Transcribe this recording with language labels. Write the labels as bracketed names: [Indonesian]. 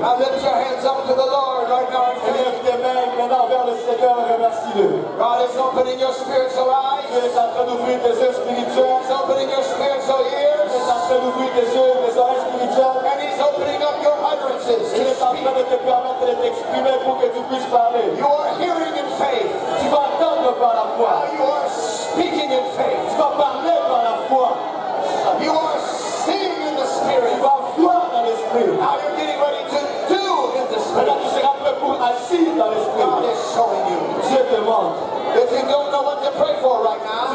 [English] Now lift your hands up to the Lord right now. [French] Et lève tes mains maintenant vers le Seigneur et remercie-le. [English] God is opening your spiritual eyes. [French] Dieu est en train d'ouvrir tes yeux spirituels. [English] He's opening your spiritual ears. [French] Et ouvrir tes yeux, tes oreilles spirituelles. [English] And he's opening up your utterances. [French] Il est en train de te permettre de t'exprimer pour que tu puisses parler. [English] You are hearing in faith. [French] Tu vas entendre par la foi. [English] Now you are speaking in faith. [French] Tu vas parler par la foi. [English] You are seeing in the spirit. [French] Tu vas voir dans l'esprit. [English] Now you're getting ready to do in the spirit. [French] Maintenant tu seras prêt pour agir dans l'esprit. [English] God is showing you. [French] Dieu te montre. [English] If you don't know what to pray for right now,